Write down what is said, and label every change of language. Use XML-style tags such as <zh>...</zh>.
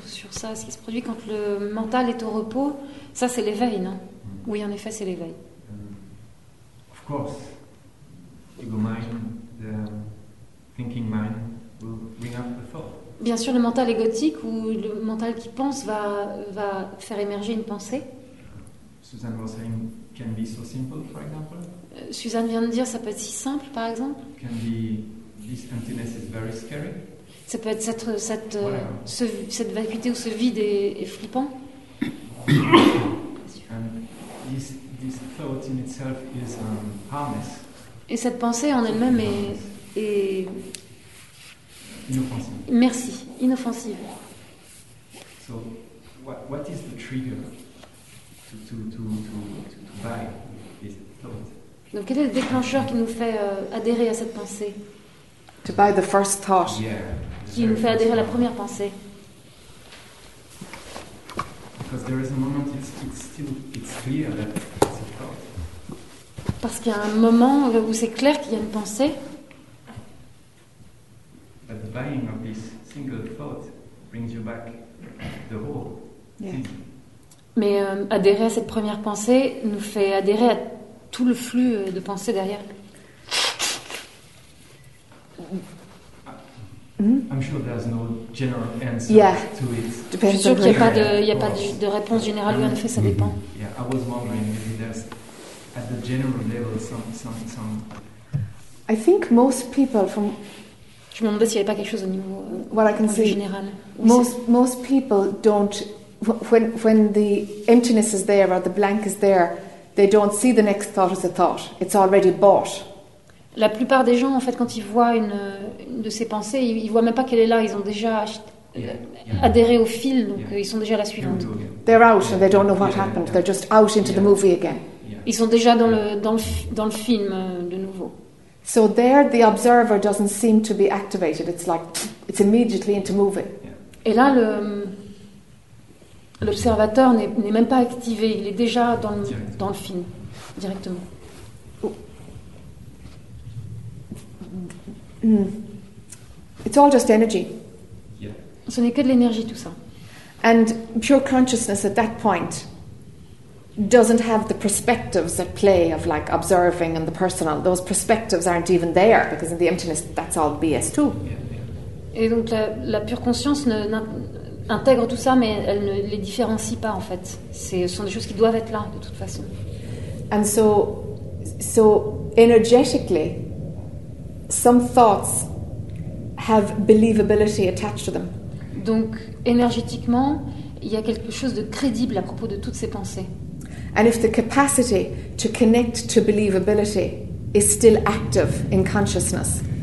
<fr>ça, ce qui se produit quand le mental est au repos, ça c'est l'éveil, non? Mm-hmm. Oui, en effet, c'est l'éveil.</fr> <en>Of course, ego mind, the thinking mind will bring up the thought.</en> <fr>Bien sûr, le mental égotique ou le mental qui pense va faire émerger une pensée.</fr> <en>Susan was saying, can be so simple, for example.</en> <fr>Suzanne vient de dire, ça peut être si simple, par exemple.</fr> <en>Can be this emptiness is very scary.</en> <fr>Ça peut être cette vacuité ou ce vide est flippant.</fr> <en>And this thought in itself is harmless.</en> <fr>Et cette pensée en elle-même est inoffensive. Merci, inoffensive.</fr> <en>So, what is the trigger to buy this thought?</en> <fr>Donc, quel est le déclencheur qui nous fait adhérer à cette pensée?</fr> <en>To buy the first thought. Yeah,</en> <fr>qui nous fait adhérer à la première pensée.</fr> <en>Because there is a moment it's still it's clear that it's a thought.</en> <fr>Parce qu'il y a un moment où c'est clair qu'il y a une pensée.</fr> <en>But the buying of this single thought brings you back the whole. Yeah.</en> <fr>Mais adhérer à cette première pensée nous fait adhérer à tout le flux de pensées derrière.</fr> <en>I'm sure there's no general answer yeah. to it.</en> <fr>Je suis sûr qu'il n'y a pas de, il y a pas de réponse générale, mais en effet, ça dépend.</fr> <en>Yeah, I was wondering if there's at the general level some. I think most people from.</en> <fr>Je me demandais s'il n'y avait pas quelque chose au niveau</fr> <en>what I can say,</en> <fr>général.</fr> <en>Most people don't. When the emptiness is there or the blank is there, they don't see the next thought as a thought. It's already bought.</en> <fr>La plupart des gens, en fait, quand ils voient une de ces pensées, ils voient même pas qu'elle est là. Ils ont déjà adhéré au fil, donc ils sont déjà à la suivante.</fr> <en>They're out and they don't know what happened. They're just out into the movie again.</en> <fr>Ils sont déjà dans le film de nouveau.</fr> <en>So there, the observer doesn't seem to be activated. It's like it's immediately into moving.</en> <fr>Et là, l'observateur n'est même pas activé. Il est déjà dans le film directement.</fr> <en>It's all just energy.</en> <fr>Ce n'est que de l'énergie, tout ça.</fr> <en>And pure consciousness at that point doesn't have the perspectives that play of like observing and the personal. Those perspectives aren't even there because in the emptiness, that's all BS too.</en> <fr>Et donc la pure conscience intègre tout ça, mais elle ne les différencie pas en fait. Ce sont des choses qui doivent être là de toute façon.</fr> <en>And so energetically. Some thoughts have believability attached to them.</en> <fr>Donc, énergétiquement, il y a quelque chose de crédible à propos de toutes ces pensées.</fr> <en>And if the capacity to connect to believability is still active in consciousness.</en>